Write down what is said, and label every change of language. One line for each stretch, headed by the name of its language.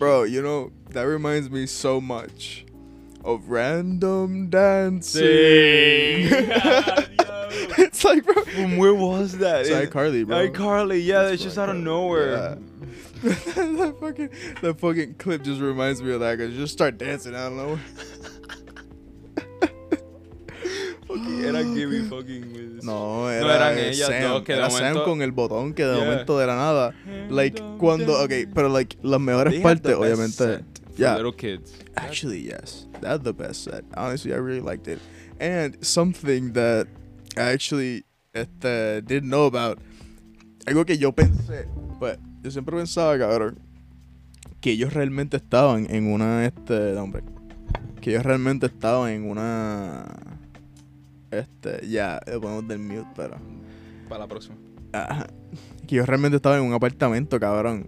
English: Bro, you know, that reminds me so much of random dancing. It's like, bro. From where was that? It's iCarly, bro. iCarly, yeah, it's just out of nowhere. Yeah. that fucking clip just reminds me of that because you just start dancing out of nowhere.
Spanish: Era Sam con el botón que de momento de la nada. Like, cuando, okay, pero like, las mejores partes, obviamente.
English: Yeah. Little kids. Actually, yes. That's the best set. Honestly, I really liked it. And something that I actually didn't know about.
Spanish: Algo que yo pensé. Pues, yo siempre pensaba, cabrón, que ellos realmente estaban en una, hombre. Que ellos realmente estaban en una. Ya, yeah, podemos del mute, pero. Para la próxima. Que yo realmente estaba en un apartamento, cabrón.